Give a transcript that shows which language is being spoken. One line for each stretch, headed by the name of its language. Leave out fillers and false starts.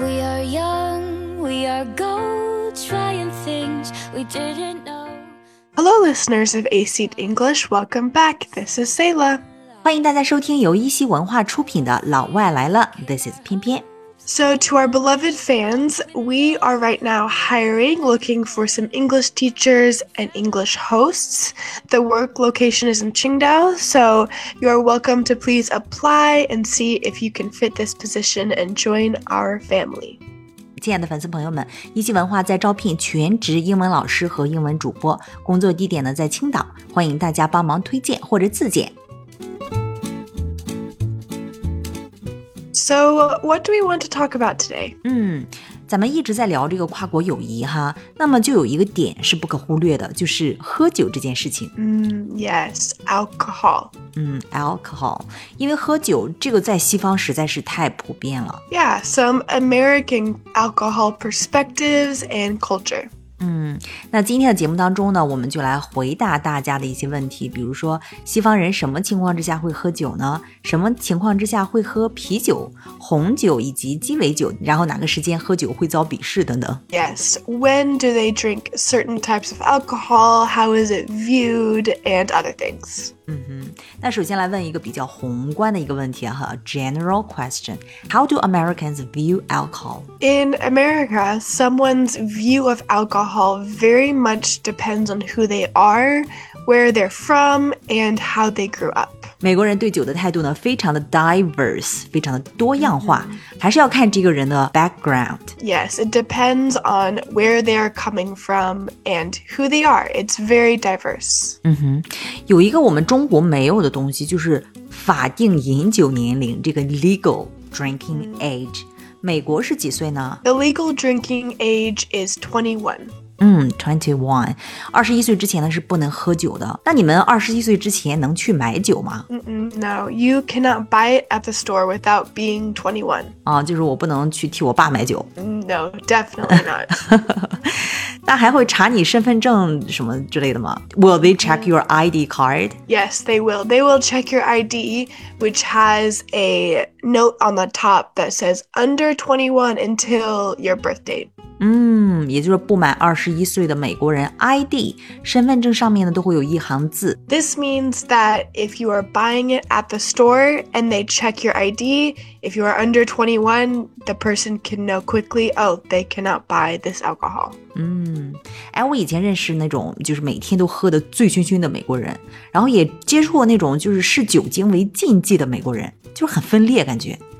English: our goals, trying things we didn't know. Hello, listeners of ACED English. Welcome back. This is Sayla.
Chinese: 欢迎大家收听由一席文化出品的《老外来了》。
English: This is 翩翩。 So to our beloved fans, we are right now hiring, looking for some English teachers and English hosts. The work location is in Qingdao, so you are welcome to please apply and see if you can fit this position and join our family.
Chinese: 亲爱的粉丝朋友们，一席文化在招聘全职英文老师和英文主播，工作地点呢在青岛，欢迎大家帮忙推荐或者自荐。
English: So, what do we want to talk about today?
Chinese: 咱们一直在聊这个跨国友谊哈，那么就有一个点是不可忽略的，就是喝酒这件事情。
English: Yes, alcohol. Alcohol.
Chinese: 因为喝酒这个在西方实在是太普遍了。
English: Yeah, some American alcohol perspectives and culture.
Chinese: 那今天的节目当中呢，我们就来回答大家的一些问题，比如说西方人什么情况之下会喝酒呢？什么情况之下会喝啤酒、红酒以及鸡尾酒？然后哪个时间喝酒会遭鄙视等等。
English: Yes, when do they drink certain types of alcohol? How is it viewed? And other things.
Chinese: 那首先来问一个比较宏观的一个问题哈 ，
English: general question. How do Americans view alcohol? In America, someone's view of alcohol very much depends on who they are, where they're from, and how they grew up.
Chinese: 美国人对酒的态度呢，非常的 diverse, 非常的多样化，还是要看这个人的 background.
English: Yes, it depends on where they are coming from and who they are. It's very diverse.
Chinese: 有一个我们中国没有的东西，就是法定饮酒年龄，这个
English: legal drinking age.
Chinese: 美国是几岁呢？
English: The legal drinking age is 21. 21.
Chinese: 21岁之前呢是不能喝酒的。那你们21岁之前能去买酒吗？
English: No, you cannot buy it at the store without being 21.
Chinese: 就是我不能去替我爸买酒。
English: No, definitely not.
Chinese: 那还会查你身份证什么之类的吗？
English: Will they check your ID card? Yes, they will. They will check your ID, which has a note on the top that says under 21 until your birth date.
Chinese: 也就是不满21岁的美国人 ID 身份证上面呢都会有一行字。
English: This means that if you are buying it at the store and they check your ID, if you are under 21, the person can know quickly, oh, they cannot buy this alcohol.
Chinese: 我以前认识那种就是每天都喝得醉醺醺的美国人，然后也接触过那种就是视酒精为禁忌的美国人，就很分裂感觉。